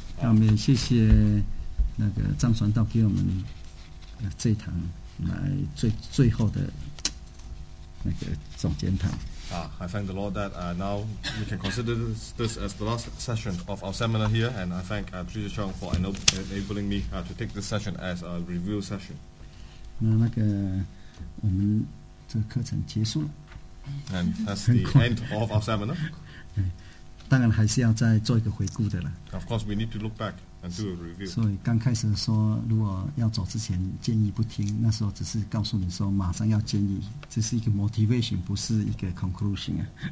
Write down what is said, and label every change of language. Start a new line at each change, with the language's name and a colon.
Chinese: 那我们也谢谢那个张传道给我们这一堂来最后的那个总检讨。
English: I thank the Lord that now we can consider this as the last session of our seminar here, and I thank Jesus Chong for enabling me to take this session as a review session.
Chinese: 那个我们这个课程结束了。
English: And that's the end of our seminar.
Chinese: 当然还是要再做一个回顾的了。
English: Of course, we need to look back and do a review.
Chinese: 所以刚开始说，如果要走之前建议不听，那时候只是告诉你说马上要建议，这是一个 motivation， 不是一个 conclusion 啊。